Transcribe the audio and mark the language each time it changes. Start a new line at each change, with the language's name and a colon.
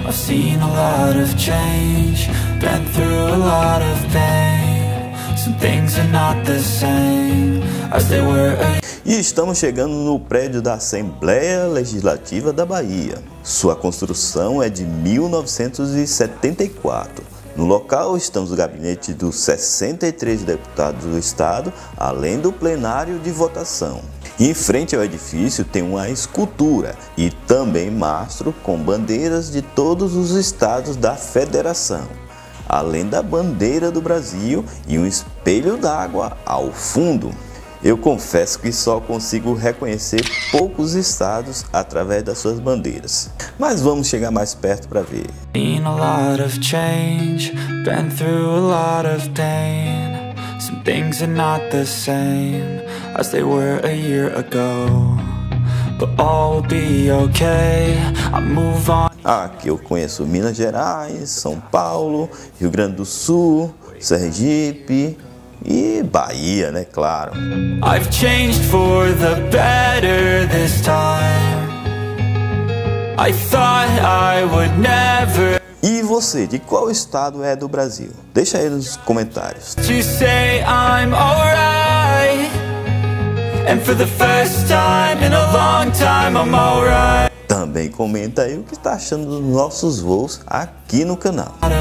English: Been through a lot of pain. Some things are not the same as they were.
Portuguese: E estamos chegando no prédio da Assembleia Legislativa da Bahia. Sua construção é de 1974. No local estão os gabinetes dos 63 deputados do estado, além do plenário de votação. Em frente ao edifício tem uma escultura e também mastro com bandeiras de todos os estados da federação, além da bandeira do Brasil e um espelho d'água ao fundo. Eu confesso que só consigo reconhecer poucos estados através das suas bandeiras. Mas vamos chegar mais perto para ver.
English: Been a lot of change, been through a lot of pain. Some things are not the same as they were a year ago. But all will be okay, I move on.
Portuguese: Aqui eu conheço Minas Gerais, São Paulo, Rio Grande do Sul, Sergipe e Bahia, né, claro.
English: I've changed for the better this time. I thought I would never.
Portuguese: E você, de qual estado é do Brasil? Deixa aí nos comentários.
English: To say I'm alright. And for the first time in a long time I'm alright.
Portuguese: Também comenta aí o que está achando dos nossos voos aqui no canal.